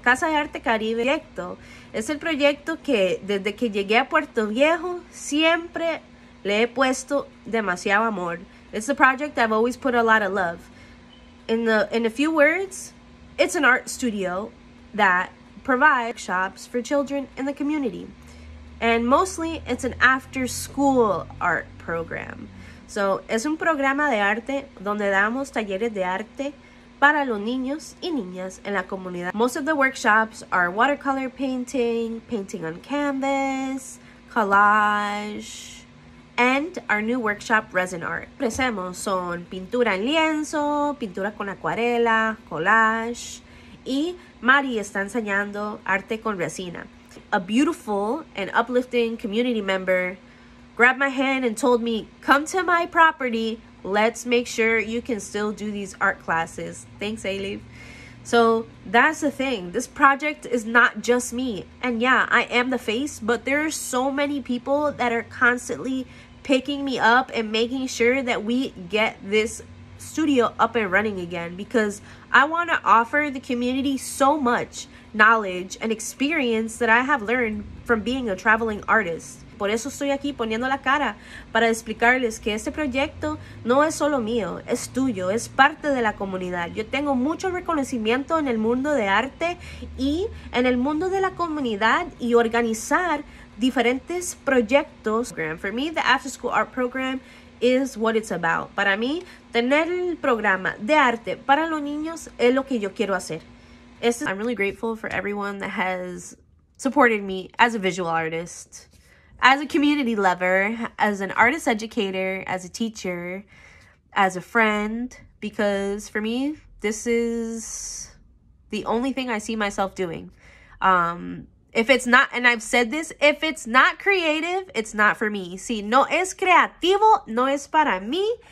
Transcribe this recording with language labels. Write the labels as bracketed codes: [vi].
[es] Casa de Arte Caribe proyecto es el proyecto que desde que llegué a Puerto Viejo siempre le he puesto demasiado amor. [en] It's a project I've always put a lot of love. In a few words, it's an art studio that provides workshops for children in the community. And mostly, it's an after-school art program. [es] So, es un programa de arte donde damos talleres de arte para los niños y niñas en la comunidad. [en] Most of the workshops are watercolor painting, painting on canvas, collage, and our new workshop, resin art. [es] Ofrecemos son pintura en lienzo, pintura con acuarela, collage, y Mari está enseñando arte con resina. [en] A beautiful and uplifting community member grabbed my hand and told me, come to my property, let's make sure you can still do these art classes. Thanks, Aileen. So that's the thing. This project is not just me. And yeah, I am the face, but there are so many people that are constantly picking me up and making sure that we get this studio up and running again, because I want to offer the community so much knowledge and experience that I have learned from being a traveling artist. [es] Por eso estoy aquí poniendo la cara para explicarles que este proyecto no es solo mío, es tuyo, es parte de la comunidad. Yo tengo mucho reconocimiento en el mundo de arte y en el mundo de la comunidad y organizar diferentes proyectos. [en] For me, the after school art program is what it's about. [es] Para mí, tener el programa de arte para los niños es lo que yo quiero hacer. [en] I'm really grateful for everyone that has supported me as a visual artist, as a community lover, as an artist educator, as a teacher, as a friend, because for me, this is the only thing I see myself doing. If it's not, and I've said this, if it's not creative, it's not for me. [es] Si no es creativo, no es para mí.